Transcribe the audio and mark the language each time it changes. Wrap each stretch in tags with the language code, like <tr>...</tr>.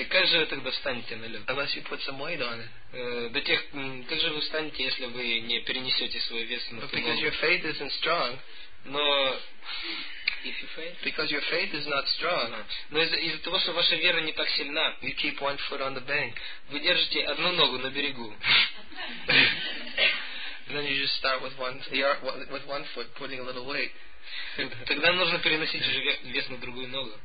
<ru>И как же вы тогда встанете на лед?</ru> <en>Unless you put some weight on it.</en> <ru>До тех, как же вы встанете, если вы не перенесете свой вес на ту ногу?</ru> <en>Because your faith isn't strong.</en> <ru>Но</ru> <en>if your faith, because your faith is not strong,</en> <ru>но из-за того, что ваша вера не так сильна,</ru> <en>you keep one foot on the bank.</en> <ru>Вы держите одну ногу на берегу.</ru> <en>And then you just start with one foot, putting a little weight.</en> <ru>Тогда нужно переносить уже вес на другую ногу.</ru>